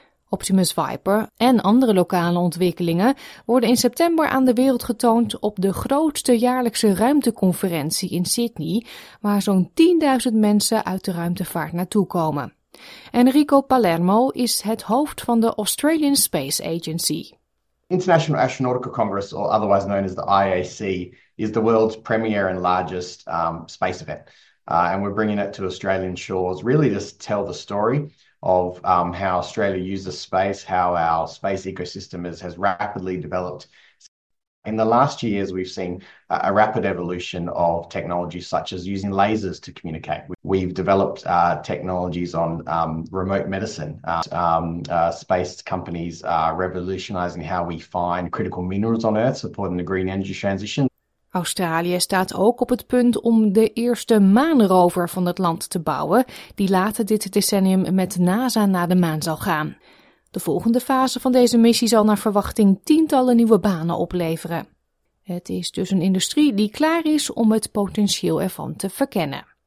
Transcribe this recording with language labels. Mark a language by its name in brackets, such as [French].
[Dutch] Optimus Viper en andere lokale ontwikkelingen worden in september aan de wereld getoond op de grootste jaarlijkse ruimteconferentie in Sydney, waar zo'n 10.000 mensen uit de ruimtevaart naartoe komen. Enrico Palermo is het hoofd van de Australian Space Agency. [English] International Astronautical Congress, or otherwise known as the IAC, is the world's premier and largest space event. And we're bringing it to Australian shores, really just tell the story of how Australia uses space, how our space ecosystem has rapidly developed. In the last years, we've seen a rapid evolution of technology, such as using lasers to communicate. We've developed technologies on remote medicine. Space companies are revolutionizing how we find critical minerals on Earth, supporting the green energy transition. [Dutch] Australië staat ook op het punt om de eerste maanrover van het land te bouwen, die later dit decennium met NASA naar de maan zal gaan. De volgende fase van deze missie zal naar verwachting tientallen nieuwe banen opleveren. Het is dus een industrie die klaar is om het potentieel ervan te verkennen.